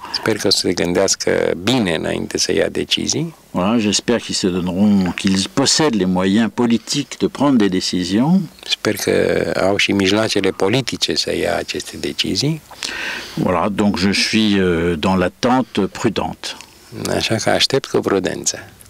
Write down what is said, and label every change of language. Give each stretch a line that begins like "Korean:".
French: J'espère que
Romanian: se gândească bine înainte să ia decizii.
French: Voilà, j'espère qu'ils se donneront, qu'ils possèdent les moyens politiques de prendre des décisions. J'espère que
Romanian: au și mijloacele politice să ia aceste decizii.
French: Voilà, donc je suis dans l'attente prudente.
Romanian: Așa că aștept cu prudență.